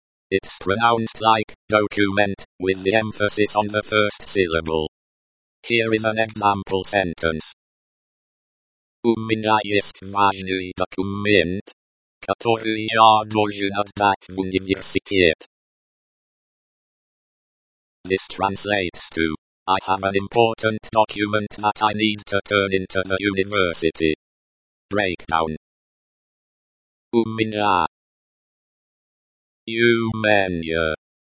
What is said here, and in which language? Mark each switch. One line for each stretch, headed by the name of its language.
English: It's pronounced like document with the emphasis on the first syllable. Here is an example sentence.
Russian: У меня есть важный документ, который я должен отдать в университет.
English: This translates to: I have an important document that I need to turn into the university.
Russian: Breakdown. У меня. У меня.